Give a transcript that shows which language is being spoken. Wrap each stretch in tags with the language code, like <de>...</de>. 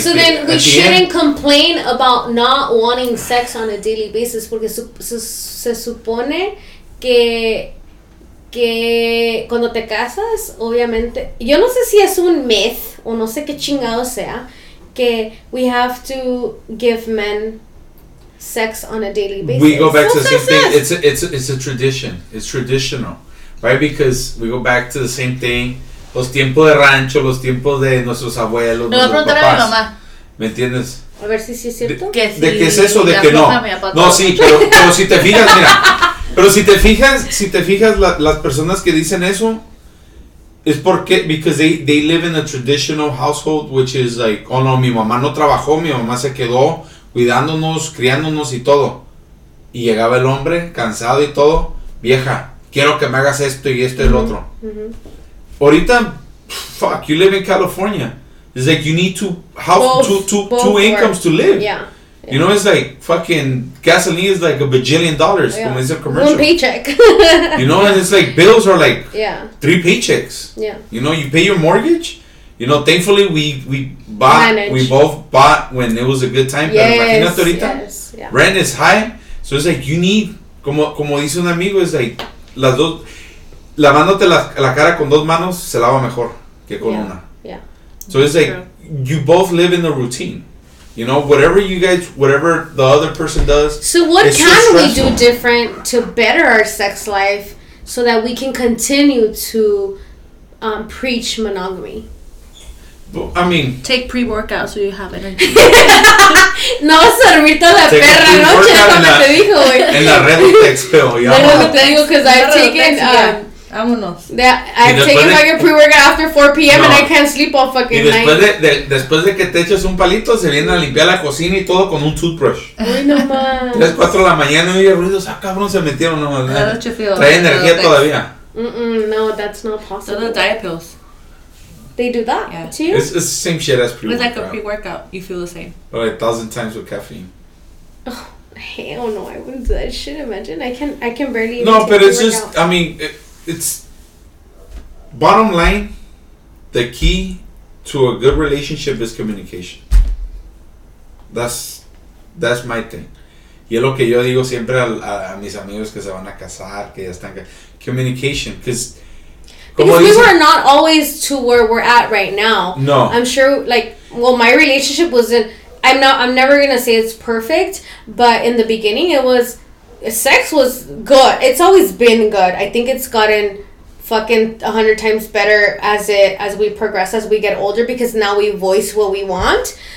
<en>So then we shouldn't complain about not wanting sex on a daily basis,</en> <es>porque se supone que cuando te casas, obviamente... Yo no sé si es un myth, o no sé qué chingado sea, que</es> <en>we have to give men... sex on a daily basis. We go back to the same thing. It's a tradition. It's traditional. Right? Because we go back to the same thing.</en> <es>Los tiempos de rancho, los tiempos de nuestros abuelos, nuestros papás. Lo voy a preguntar a mi mamá. ¿Me entiendes? A ver si es cierto. ¿De qué es eso? ¿De qué no? No, sí, pero si te fijas, mira. Pero si te fijas, las personas que dicen eso, es porque,</es> <en>because they live in a traditional household, which is like, oh no,</en> <es>mi mamá no trabajó, mi mamá se quedó cuidándonos, criándonos y todo. Y llegaba el hombre, cansado y todo. Vieja, quiero que me hagas esto y esto y el otro. Mm-hmm.</es> <en>Ahorita, fuck, you live in California. It's like you need two incomes to live. Yeah. You know, it's like fucking gasoline is like a bajillion dollars. Yeah.</en> <es>Como dice el commercial.</es> <en>One paycheck. You know, and it's like bills are like three paychecks. Yeah. You know, you pay your mortgage. You know, thankfully we both bought when it was a good time. Yes,</en> <es>imagínate ahorita.</es> <en>Yes, yeah. Rent is high. So it's like you need,</en> <es>como dice un amigo, es like las dos, lavándote la cara con dos manos se lava mejor que con una.</es> <en>Yeah. So it's like you both live in the routine. You know, whatever the other person does. So what can we do different to better our sex life so that we can continue to preach monogamy? I mean, take pre-workout so you have energy.</en> <es>No, sorbito la perra noche, como te dijo. En la red de Expel, ya. No, no te digo,</es> <en>because I've taken.</en> <es>Vámonos.</es> <en>I've taken like a pre-workout after 4 p.m. No. And I can't sleep all fucking night.</en> <es>Y después después de que te eches un palito, se viene a limpiar la cocina y todo con un toothbrush. Ay, nomás. 3, 4 de la mañana, y oye ruidos. Ah, cabrón, se metieron nomás. La noche feo. Trae energía todavía.</es> <en>No, that's not possible.</en> <es>Son los diet pills.</es> <en>They do that to you? It's the same shit as pre-workout. It's like a pre-workout. You feel the same. But like 1,000 times with caffeine. Oh, hell no. I wouldn't do that. I should imagine. I can barely even. No, but it's just, I mean, it's... Bottom line, the key to a good relationship is communication. That's my thing.</en> <es>Y es lo que yo digo siempre a mis amigos que se van a casar, que ya están...</es> <en>Communication, because... Because we were not always to where we're at right now. No. I'm sure, like, well, my relationship wasn't, I'm never going to say it's perfect, but in the beginning it was, sex was good. It's always been good. I think it's gotten fucking 100 times better as we progress, as we get older, because now we voice what we want.</en>